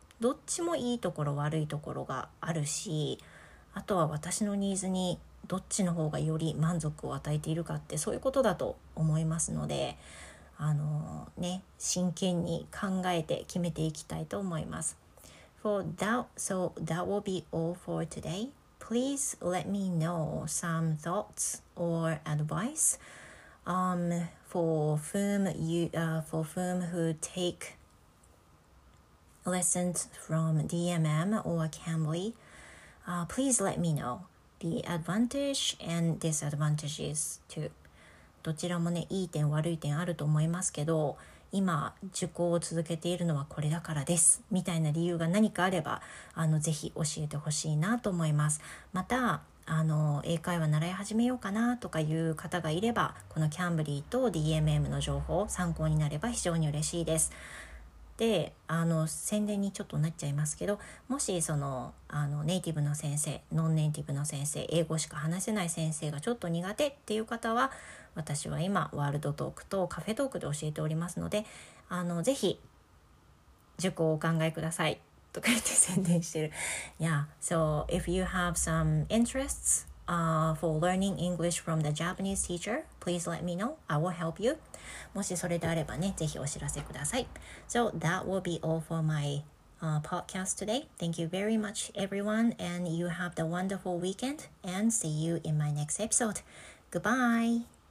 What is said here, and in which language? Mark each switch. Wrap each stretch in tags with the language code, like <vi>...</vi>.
<ja>どっちもいいところ悪いところがあるし、あとは私のニーズにどっちの方がより満足を与えているかってそういうことだと思いますので、ね、真剣に考えて決めていきたいと思います。</ja> <en>So that will be all for today. Please let me know some thoughts or advice for whom who take lessons from DMM or Cambly. Please let me know. The advantage and disadvantages too.</en> <ja>どちらもね、いい点悪い点あると思いますけど、今受講を続けているのはこれだからですみたいな理由が何かあれば、ぜひ教えてほしいなと思います。また英会話習い始めようかなとかいう方がいれば、このキャンブリーと DMM の情報参考になれば非常に嬉しいです。で、宣伝にちょっとなっちゃいますけど、もしその、ネイティブの先生、ノンネイティブの先生、英語しか話せない先生がちょっと苦手っていう方は、私は今ワールドトークとカフェトークで教えておりますので、ぜひ受講をお考えくださいとか言って宣伝してる。</ja> <en>Yeah, so if you have some interests, for learning English from the Japanese teacher, please let me know. I will help you.</en> <ja>もしそれであればね、ぜひお知らせください。</ja> <en>So that will be all for my podcast today. Thank you very much, everyone, and you have the wonderful weekend, and see you in my next episode. Goodbye!</en>